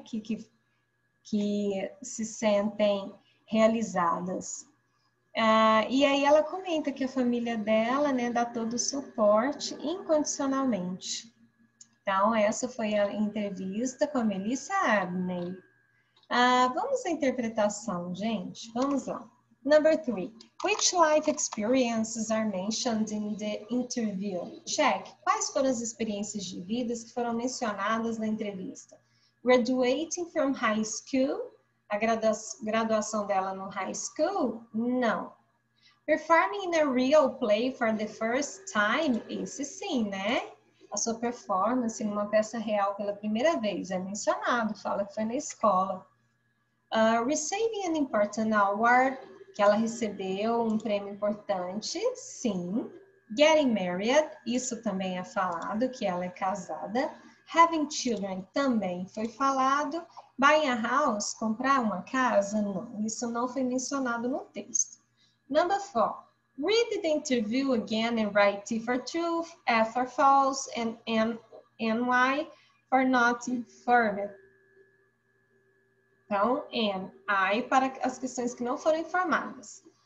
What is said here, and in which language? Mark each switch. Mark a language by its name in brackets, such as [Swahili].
[Portuguese] Que se sentem realizadas. E aí ela comenta que a família dela, né, dá todo o suporte incondicionalmente. Então, essa foi a entrevista com a Melissa Abney. Vamos à interpretação, gente. Vamos lá. [English] Number 3. Which life experiences are mentioned in the interview? Check. [Portuguese] Quais foram as experiências de vida que foram mencionadas na entrevista? [English] Graduating from high school? [Portuguese] A graduação dela no high school? Não. [English] Performing in a real play for the first time? [Portuguese] Esse sim, né? a sua performance em uma peça real pela primeira vez. É mencionado, fala que foi na escola. [English] Receiving an important award, [Portuguese] que ela recebeu um prêmio importante, sim. [English] Getting married, [Portuguese] isso também é falado, que ela é casada. [English] Having children, [Portuguese] também foi falado. [English] Buying a house, [Portuguese] comprar uma casa, não. Isso não foi mencionado no texto. [English] Number four. Read the interview again and write T for truth, F for false, and N Y for not informed. [Portuguese] Então, N, I para as questões que não foram informadas.